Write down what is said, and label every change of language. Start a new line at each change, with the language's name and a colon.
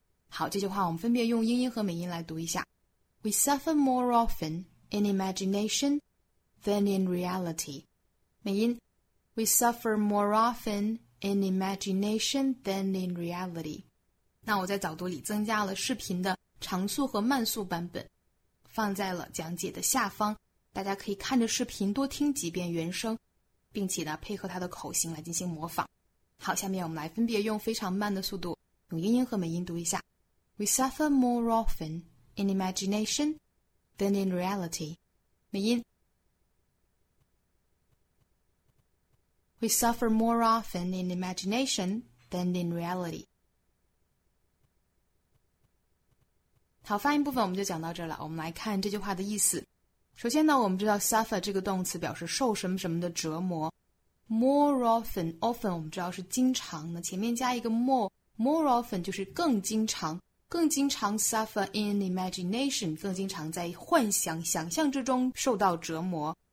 Chinese: 好，这句话我们分别用英音和美音来读一下。
English: We suffer more often in imagination than in reality.
Chinese: 美音
English: We suffer more often in imagination than in reality.
Chinese: 那我在早读里增加了视频的长速和慢速版本，放在了讲解的下方，大家可以看着视频多听几遍原声，并且呢配合他的口型来进行模仿。好，下面我们来分别用非常慢的速度用英音和美音读一下。
English: We suffer more often in imagination than in reality.
Chinese: 美音
English: We suffer more often in imagination than in reality.
Chinese: 好，发音部分我们就讲到这了，我们来看这句话的意思。首先呢，我们知道 suffer 这个动词表示受什么什么的折磨。 More often, often 我们知道是经常，那前面加一个 more often 就是更经常
English: suffer in imagination,
Chinese: 更经常在幻想想象之中受到折磨。